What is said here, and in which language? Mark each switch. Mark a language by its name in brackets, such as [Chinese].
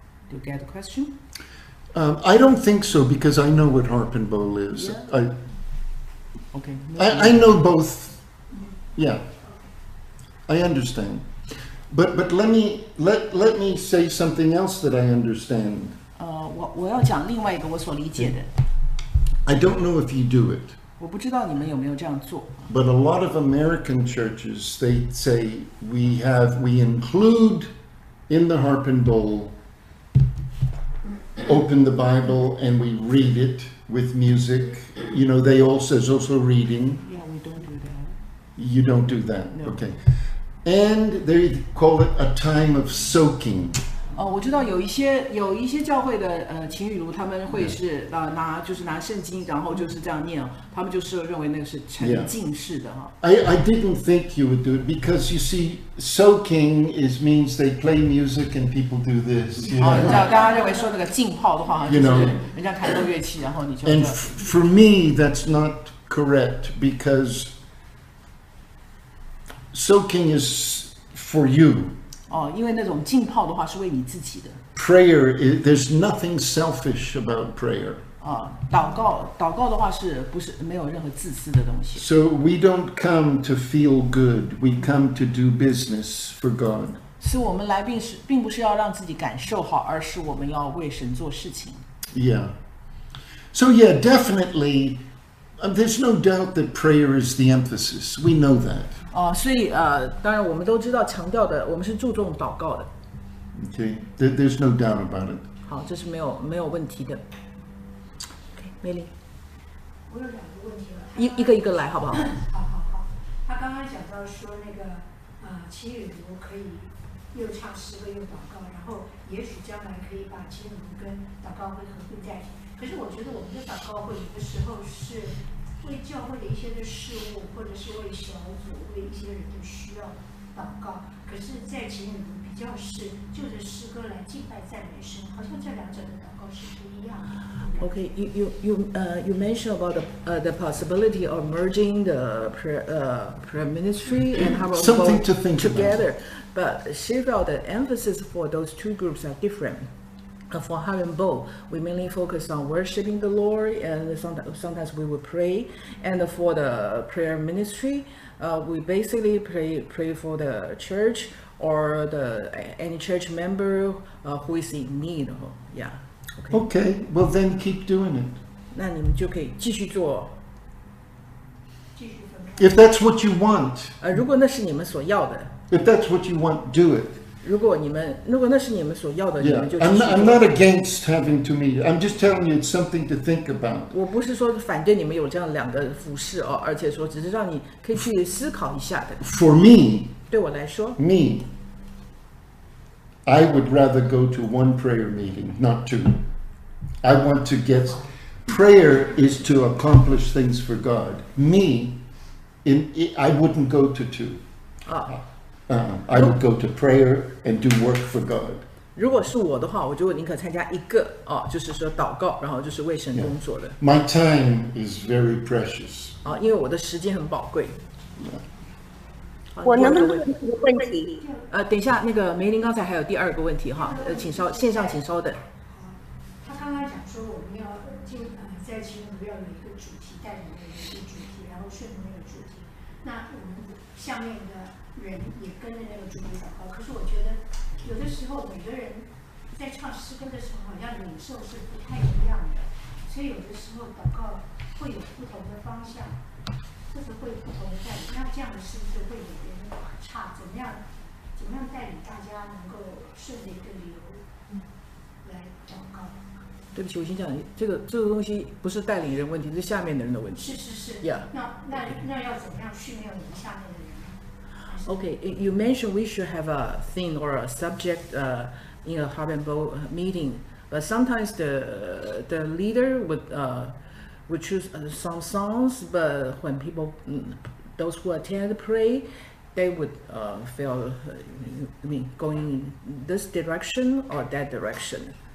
[English] Do you get the question? I don't think so, because I know what harp and bow is. Yeah. Okay. I know both. Yeah. I understand. But let me say something else that I understand. [Chinese] 我要讲另外一个我所理解的。 [English] I don't know if you do it. [Chinese] 我不知道你们有没有这样做。 [English] But a lot of American churches, they say we include in the harp and bowl, open the Bible and we read it. With music, you know, they also, there's also reading. Yeah, we don't do that. You don't do that? No. Okay. And they call it a time of soaking. [Chinese] Oh, 我知道有一些教会的情侣如他们会是、yeah. 拿就是拿圣经然后就是这样念他们就是认为那个是沉浸式的、 [English] yeah. I didn't think you would do it because you see soaking is means they play music and people do this. You know? [Chinese] 你知道大家认为说那个浸泡的话 [English] you know, [Chinese] 就是人家弹奏乐器然后你就 [English] And for me that's not correct because soaking is for you. [Chinese] 因为那种浸泡的话是为你自己的。 [English] Prayer, there's nothing selfish about prayer. [Chinese] 祷告的话是不是没有任何自私的东西。 [English] So we don't come to feel good, we come to do business for God. [Chinese] 是我们来并不是要让自己感受好，而是我们要为神做事情。 [English] Yeah. So yeah, definitely, there's no doubt that prayer is the emphasis. We know that. [Chinese] 所以当然我们都知道强调的我们是注重祷告的。 [English] Okay, there's no doubt about it. [Chinese] 好，这是没有问题的。Okay, Milly. 我有两个问题了。一个来好不好？好好好。他刚刚讲到说那个情侣如可以又唱诗歌又祷告，然后也许将来可以把情侣如跟祷告会合并在一起。可是我觉得我们的祷告会有的时候是。为教会的一些的事物，或者是为小组、为一些人的需要祷告，可是，在情侣中比较是就着诗歌来敬拜赞美神，好像这两者的祷告是不一样的。 [English] Okay, you mentioned about the possibility of merging the prayer ministry and how about something to think together. About. But she felt the emphasis for those two groups are different. For harp and bow, we mainly focus on worshiping the Lord, and sometimes we will pray. And for the prayer ministry, we basically pray for the church or any church member who is in need. Yeah. Okay. Okay. Well, then keep doing it. [Chinese] 那你们就可以继续做。 [English] If that's what you want. [Chinese] 如果那是你们所要的。 [English] If that's what you want, do it. [Chinese] 如果那是你们所要的 [English] yeah, [Chinese] 你们就 [English] I'm not against having to meet. I'm just telling you it's something to think about. [Chinese] 我不是说反对你们有这样两个服事、哦、而且说只是让你可以去思考一下的。 [English] For me, [Chinese] 对我来说 [English] me, I would rather go to one prayer meeting, not two. I want to get, prayer is to accomplish things for God. Me, I wouldn't go to two. I would go to prayer and do work for God. [Chinese] 如果是我的话，我就宁可参加一个哦，就是说祷告，然后就是为神工作的。 [English] My time is very precious. [Chinese] 因为我的时间很宝贵。我能不能问一个问题？等一下，那个梅林刚才还有第二个问题哈，请稍线上请稍等。他刚刚讲说我们要在其中要有一个主题，带领的一个主题，然后顺着那个主题，那我们下面的。人也跟着那个主题祷告，可是我觉得有的时候每个人在唱诗歌的时候好像领受是不太一样的，所以有的时候祷告会有不同的方向，或者会不同的带领，那这样的是不是会有点差？怎么样带领大家能够顺着一个流来祷告？对不起，我先讲这个东西不是带领人问题，是下面的人的问题。是是是。 [English] Yeah. [Chinese] 那要怎么样训练我们下面的人？ [English] Okay, you mentioned we should have a thing or a subject, in a harp and bow meeting. But sometimes the leader would choose some songs. But when people, those who attend pray, they would feel, I mean, going this direction or that direction.